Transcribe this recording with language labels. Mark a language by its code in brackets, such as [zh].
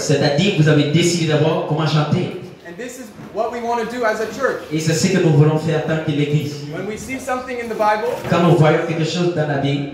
[fr] C'est-à-dire que vous avez décidé d'abord comment chanter. [en] And this is what we want to do as a church. [fr] Et c'est ce que nous voulons faire en tant que l'église. [en] When we see something in the Bible, [fr] quand nous voyons quelque chose dans la Bible,